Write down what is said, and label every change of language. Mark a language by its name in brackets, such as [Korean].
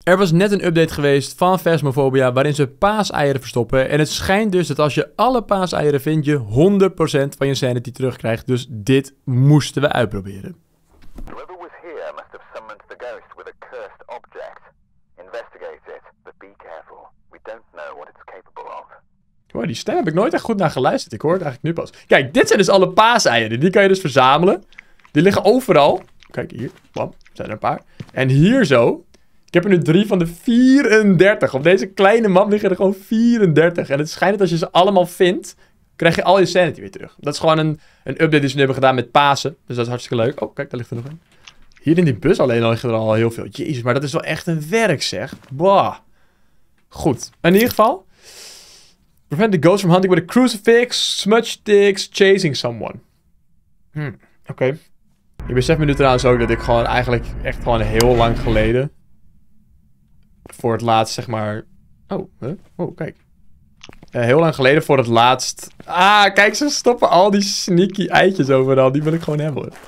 [Dutch] Er was net een update geweest van Phasmophobia waarin ze paaseieren verstoppen. En het schijnt dus dat als je alle paaseieren vindt, je 100% van je sanity terugkrijgt. Dus dit moesten we uitproberen. [English] Whoever was here must have summoned the ghost with a cursed object. Investigate it, but be careful. We don't know what it's capable of. [Dutch] Wow, die stem heb ik nooit echt goed naar geluisterd. Ik hoor het eigenlijk nu pas. Kijk, dit zijn dus alle paaseieren. Die kan je dus verzamelen. Die liggen overal. Kijk, hier. Bam, zijn er een paar. En hier zo. Ik heb er nu 3 van de 34. Op deze kleine map liggen er gewoon 34. En het schijnt dat als je ze allemaal vindt, krijg je al je sanity weer terug. Dat is gewoon een update die ze nu hebben gedaan met Pasen. Dus dat is hartstikke leuk. Oh, kijk, daar ligt er nog een. Hier in die bus alleen al liggen er al heel veel. Jezus, maar dat is wel echt een werk, zeg. Bah. Goed. In ieder geval. [English] Prevent the ghost from hunting with a crucifix, smudge sticks, chasing someone. [Dutch] Oké. Okay. Ik besef me nu trouwens ook dat ik gewoon eigenlijk echt gewoon heel lang geleden voor het laatst, zeg maar. Oh, huh? Oh, kijk. Heel lang geleden voor het laatst. Ah, kijk, ze stoppen al die sneaky eitjes overal. Die wil ik gewoon hebben.